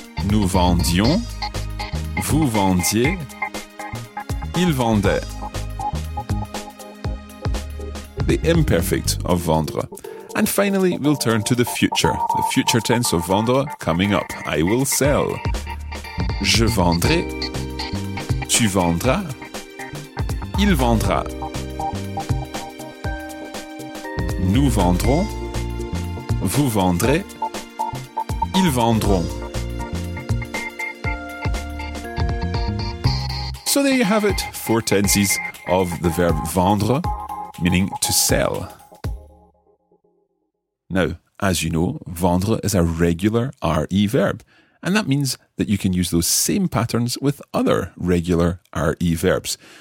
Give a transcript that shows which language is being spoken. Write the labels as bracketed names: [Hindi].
[French] Nous vendions, vous vendiez, ils vendaient. [English] The imperfect of vendre. And finally, we'll turn to the future. The future tense of vendre coming up. I will sell. [French] Je vendrai, tu vendras, il vendra. Nous vendrons, vous vendrez, ils vendront. [English] So there you have it, four tenses of the verb vendre, meaning to sell. Now, as you know, vendre is a regular RE verb, and that means that you can use those same patterns with other regular RE verbs.